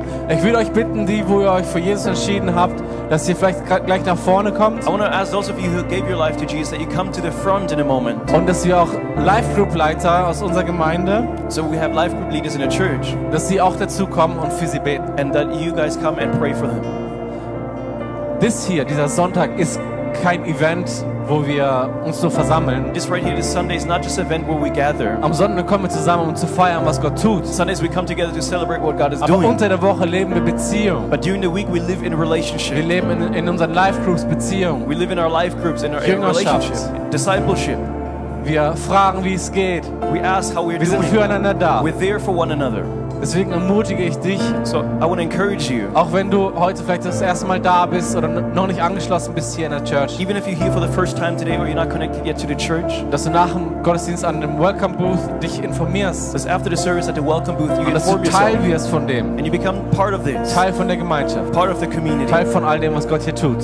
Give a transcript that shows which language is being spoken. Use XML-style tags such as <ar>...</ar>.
<de>Ich will euch bitten, die, wo ihr euch für Jesus entschieden habt, dass ihr vielleicht gleich nach vorne kommt.</de> <en>I want to ask those of you who gave your life to Jesus that you come to the front in a moment.</en> <de>Und dass wir auch Life Group Leiter aus unserer Gemeinde,</de> <en>so we have Life Group Leaders in the church,</en> <de>dass sie auch dazu kommen und für sie beten.</de> <en>And that you guys come and pray for them.</en> <de>This hier, dieser Sonntag, ist kein Event, wo wir uns nur versammeln.</de> <en>This right here, this Sunday, is not just an event where we gather.</en> <de>Am Sonntag kommen wir zusammen, um zu feiern, was Gott tut.</de> <en>Sundays we come together to celebrate what God is</en> <de>doing. Aber unter der Woche leben wir Beziehung.</de> <en>But during the week we live in relationship.</en> <de>Wir leben in unseren Life Groups Beziehung.</de> <en>We live in our life groups in our</en> <de>Jüngerschaft.</de> <en>Discipleship.</en> <de>Wir fragen, wie es geht.</de> <en>We ask how we're</en> <de>doing. Wir sind füreinander da.</de> <en>We're there for one another.</en> <de>Deswegen ermutige ich dich,</de> <en>so I want to encourage you,</en> <de>auch wenn du heute vielleicht das erste Mal da bist oder noch nicht angeschlossen bist hier in der Church,</de> <en>even if you're here for the first time today or you're not connected yet to the church,</en> <de>dass du nach dem Gottesdienst an dem Welcome Booth dich informierst,</de> <en>dass after the service at the Welcome Booth you</en> <de>und dass du Teil wirst von dem,</de> <en>and you become part of this,</en> <de>Teil von der Gemeinschaft,</de> <en>part of the community,</en> <de>Teil von all dem, was Gott hier tut,</de>